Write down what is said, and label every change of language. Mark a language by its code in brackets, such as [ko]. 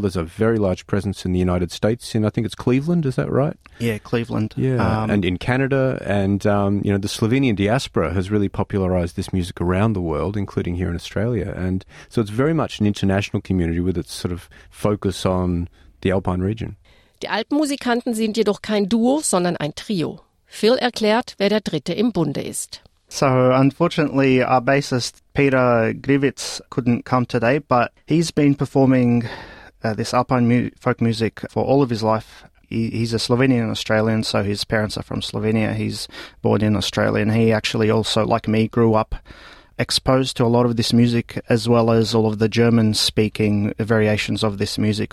[en] There's a very large presence in the United States, and I think it's Cleveland, is that right? Yeah, Cleveland. Yeah. And in Canada, and, you know, the Slovenian diaspora has really popularized this music around the world, including here in Australia. And so it's very much an international community with its sort of focus on the Alpine region. [de] Die Alpenmusikanten sind jedoch kein Duo, sondern ein Trio. Phil erklärt, wer der Dritte im Bunde ist. [en] So, unfortunately, our bassist Peter Grivitz couldn't come today, but he's been performing this Alpine folk music for all of his life. He's a Slovenian Australian, so his parents are from Slovenia. He's born in Australia, and he actually also, like me, grew up exposed to a lot of this music, as well as all of the German-speaking variations of this music.